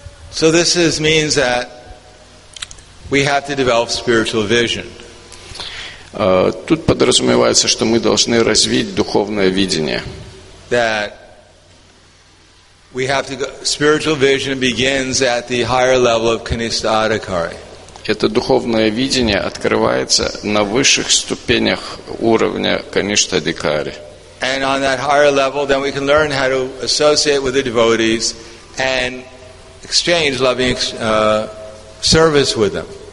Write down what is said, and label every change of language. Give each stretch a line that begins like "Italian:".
English: So this is, means that we have to develop spiritual vision.
Russian: Тут подразумевается, что мы должны развить духовное видение.
English: That we have to go, spiritual vision begins at the higher level of kanishadaka.
Russian: Это духовное видение открывается на высших ступенях уровня kanishadaka.
English: And on that higher level, then we can learn how to associate with the devotees and exchange loving service with them.